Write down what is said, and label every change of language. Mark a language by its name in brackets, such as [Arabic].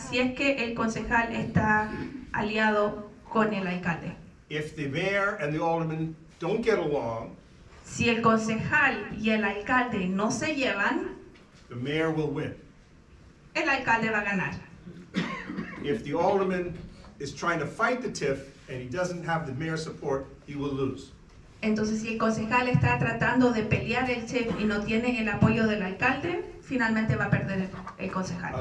[Spanish] Si es que el concejal está aliado con el alcalde. [English] If the mayor and the alderman don't get along, [Spanish] si el concejal y el alcalde no se llevan, [English] the mayor will win. [Spanish] El alcalde va a ganar. [English] If the alderman is trying to fight the TIF and he doesn't have the mayor's support, he will lose. [Spanish] Entonces, si el concejal está tratando de pelear el TIF y no tiene el apoyo del alcalde, finalmente va a perder el concejal.